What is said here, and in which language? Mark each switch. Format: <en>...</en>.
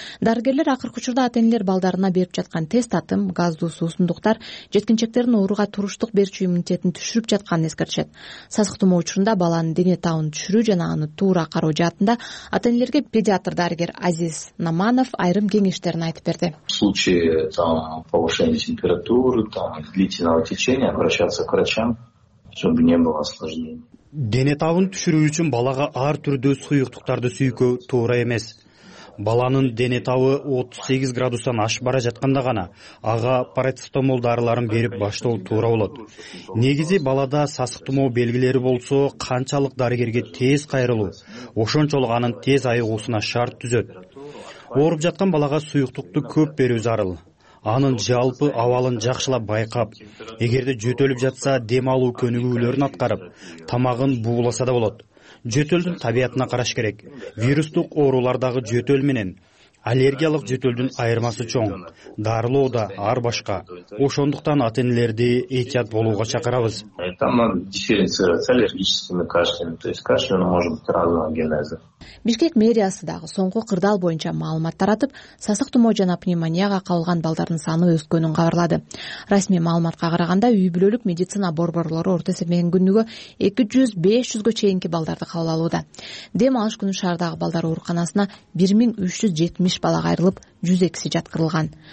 <ky>Дарыгерлер акыркы учурда ата-энелер балдарына берип жаткан тест атым, газдуу суусундуктар жеткинчектердин ооруга туруштук берчү иммунитетин түшүрүп жатканын эскертишет. Сасык тумоо учурунда баланын дене табын түшүрүү жана аны туура кароо жаатында ата-энелерге педиатр дарыгер Азиз Наманов айрым кеңештерин айтып берди.</ky> <ru>В случае повышения температуры, длительного течения обращаться к врачам, чтобы не было осложнений.</ru> <ky>Дене табын түшүрүү үчүн балага ар түрдүү суюктуктарды сүйкөө туура эмес. Баланын дене табы 38 градустан ашып бара жатканда гана ага парацетамол дарыларын берип баштоо туура болот. Негизи балада сасык тумоо белгилери болсо канчалык дарыгерге тез кайрылуу, ошончолук анын тез айыгуусуна шарт түзөт. Ооруп жаткан балага суюктукту көп берүү зарыл. Анын жалпы абалын жакшылап байкап, эгерде жөтөлүп жатса дем алуу көнүгүүлөрүн аткарып, тамагын бууласа да болот. Жөтөлдүн табиятына караш керек. Вирустук оорулардагы жөтөл менен Аллергиялык жөтөлдүн айырмасы чоң. Дарылоо да ар башка. Ошондуктан ата-энелерди этият болууга чакырабыз.</ky> <ru>Там дифференцируется аллергическими кашлями, то есть кашель может быть разного генеза.</ru> <ky>Бишкек мэриясы дагы соңку кырдаал боюнча маалымат таратып, сасык тумоо жана пневмонияга калган балдардын саны өскөнүн кабарлады. Расмий маалыматка караганда, үй бүлөлүк медицина борборлору орто эсептеген күнүгө 200-500 чейинки балдарды кабыл алууда. Дем алыш күнү шаардагы балдар ооруканасына 1370 бала кайрылып, 102 жаткырылган.</ky>